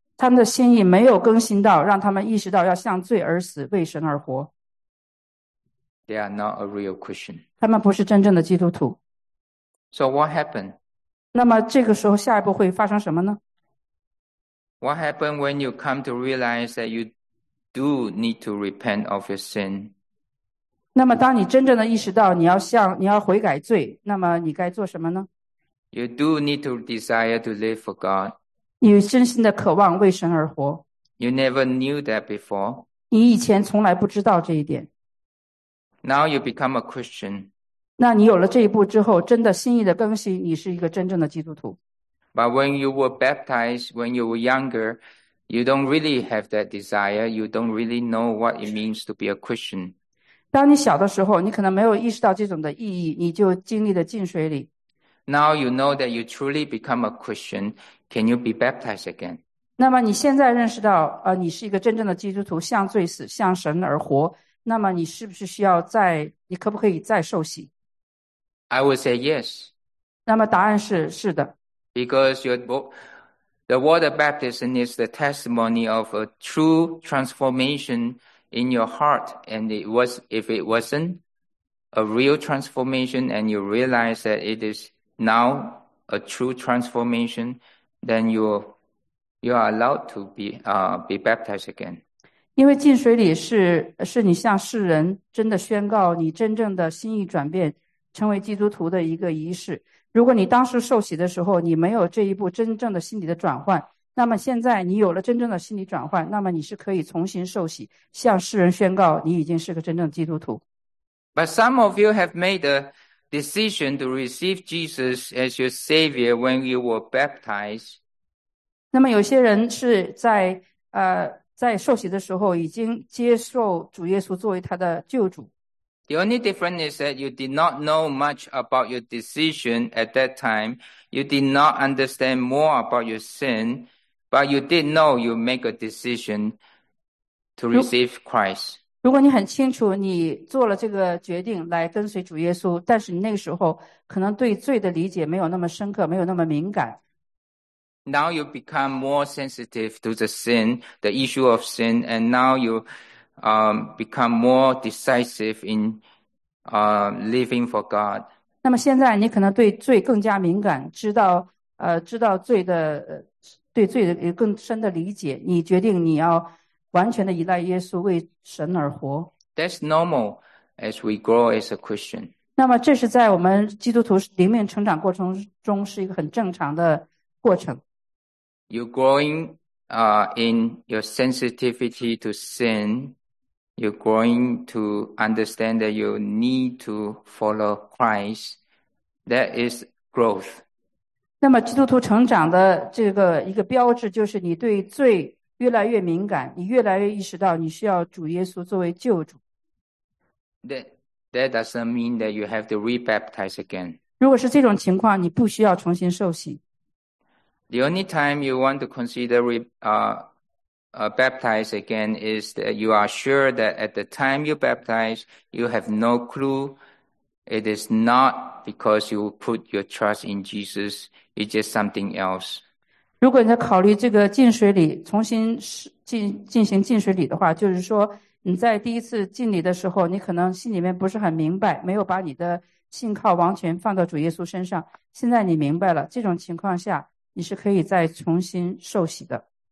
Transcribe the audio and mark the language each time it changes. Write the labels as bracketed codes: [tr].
[zh] 他们的心意没有更新到，让他们意识到要向罪而死，为神而活。 [en] They are not a real Christian. [zh] 他们不是真正的基督徒。 [en] So what happened? [zh] 那么这个时候下一步会发生什么呢？ [en] What happened when you come to realize that you do need to repent of your sin? [zh] 那么当你真正的意识到你要悔改罪，那么你该做什么呢？ [en] You do need to desire to live for God. [zh] 你真心的渴望为神而活。 [en] You never knew that before. [zh] 你以前从来不知道这一点。 [en] Now you become a Christian. [zh] 那你有了这一步之后，真的心意的更新，你是一个真正的基督徒。 [en] But when you were baptized, when you were younger, you don't really have that desire. You don't really know what it means to be a Christian. [zh] 当你小的时候，你可能没有意识到这种的意义，你就经历了浸水礼。 [en] Now you know that you truly become a Christian. Can you be baptized again? [zh] 那么你现在认识到，你是一个真正的基督徒，向罪死，向神而活。那么你是不是需要再，你可不可以再受洗？ [en] I would say yes. [zh] 那么答案是，是的。 [en] Because the water baptism is the testimony of a true transformation in your heart. And if it wasn't a real transformation and you realize that it is now a true transformation, then you are allowed to be baptized again. [zh] 因为浸水礼是你向世人真的宣告你真正的心意转变成为基督徒的一个仪式。如果你当时受洗的时候你没有这一步真正的心理的转换，那么现在你有了真正的心理转换，那么你是可以重新受洗，向世人宣告你已经是个真正基督徒。 [en] But some of you have made a decision to receive Jesus as your Savior when you were baptized. [zh] 那么有些人是在受洗的时候已经接受主耶稣作为他的救主。 [en] The only difference is that you did not know much about your decision at that time. You did not understand more about your sin, but you did know you make a decision to receive Christ. [zh] 如果你很清楚你做了这个决定来跟随主耶稣，但是你那个时候可能对罪的理解没有那么深刻，没有那么敏感。 [en] Now you become more sensitive to the sin, the issue of sin, and now you become more decisive in living for God. [zh] 那么现在你可能对罪更加敏感，知道罪的对罪的更深的理解，你决定你要完全的依赖耶稣为神而活。 [en] That's normal as we grow as a Christian. [zh] 那么这是在我们基督徒灵命成长过程中是一个很正常的过程。 [en] You're growing in your sensitivity to sin. You're growing to understand that you need to follow Christ. That is growth. [zh] 那么基督徒成长的这个一个标志就是你对罪越来越敏感，你越来越意识到你需要主耶稣作为救主。 [en] That doesn't mean that you have to re-baptize again. [zh] 如果是这种情况，你不需要重新受洗。 [en] The only time you want to consider baptize again is that you are sure that at the time you baptize, you have no clue. It is not because you put your trust in Jesus. It's just something else. [zh] 如果你在考虑这个浸水礼，重新进行浸水礼的话，就是说你在第一次敬礼的时候，你可能心里面不是很明白，没有把你的信靠完全放到主耶稣身上。现在你明白了，这种情况下，你是可以再重新受洗的。